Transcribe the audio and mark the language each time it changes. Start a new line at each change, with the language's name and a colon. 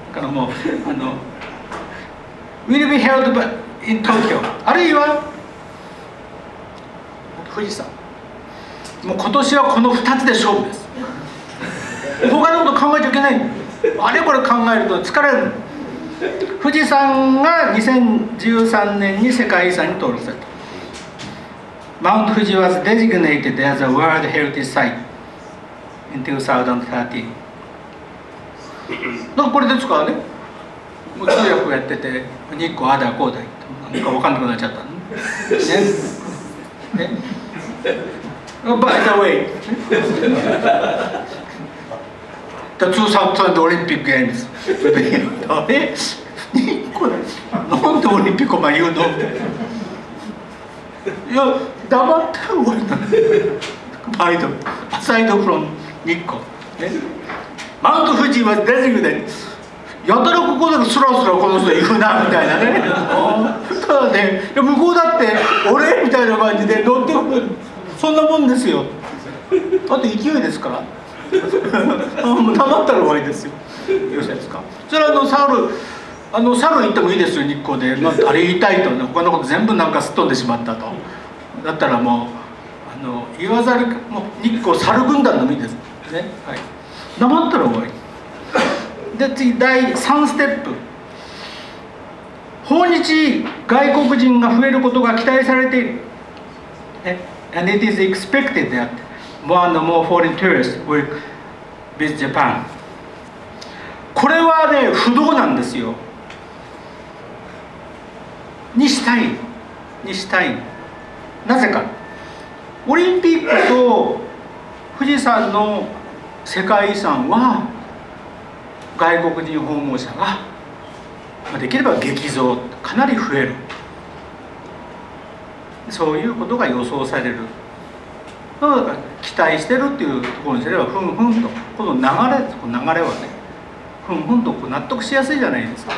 Japanese: だからもう
English: Will be held in Tokyo、
Japanese: あるいは富士山、もう今年はこの2つで勝負です。他のこと考えちゃいけない、あれこれ考えると疲れる。富士山が2013年に世界遺産に登録された。
English: Mount Fuji was designated as a World Heritage Site in 2013.
Japanese: これですからね、もう通訳やってて、日光あだこうだ言って、なんか分かんなくなっちゃったの。ね。ね。
English: By the way, the 2020 Olympic Games.
Japanese: え日光だ。なんでオリンピックお前言うの？いや、黙ったら終わりなんだよ。
English: アサイドフロム日光、
Japanese: ね、マウント富士はデジグでやたらここでスラスラこの人行くなみたいなねただね、向こうだって俺みたいな感じで乗ってくる、そんなもんですよ。あと勢いですからもう溜まったら終わりですよ。よろしいですか。それはサル行ってもいいですよ、日光で、まあ、あれ言いたいとね、他のこと全部なんかすっ飛んでしまったと。だったらもう言わざる、もう日光サル軍団のみですね、はい、黙ったら終わり。で次第3ステップ、訪日外国人が増えることが期待されている。
English: And it is expected that more and more foreign tourists will visit Japan。
Japanese: これはね不動なんですよ。にしたい、にしたい。なぜかオリンピックと富士山の世界遺産は外国人訪問者ができれば激増、かなり増える、そういうことが予想される、期待してるっていうところにすればふんふんと、この流れはね、ふんふんと納得しやすいじゃないですか。